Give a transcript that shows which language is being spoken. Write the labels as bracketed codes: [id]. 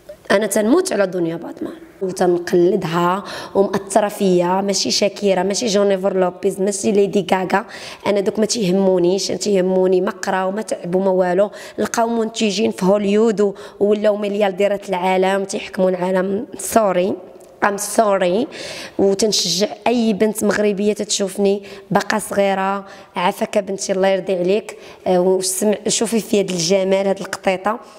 [ar] أنا تنموت على الدنيا بعد ما وتنقلدها ومأثرة فيها. ماشي شاكيرا ماشي جونيفر لوبيز ماشي ليدي غاغا. أنا دوك ما تيهمونيش, تيهموني مقرا وما تعبوا ما والو. لقاو منتجين في هوليود ولاو مليارديرات العالم تيحكموا العالم. [en] Sorry I'm sorry. [ar] وتنشجع أي بنت مغربية تشوفني بقى صغيرة عافاك بنتي الله يرضي عليك وشوفي في هذا الجمال هذا القطيطة.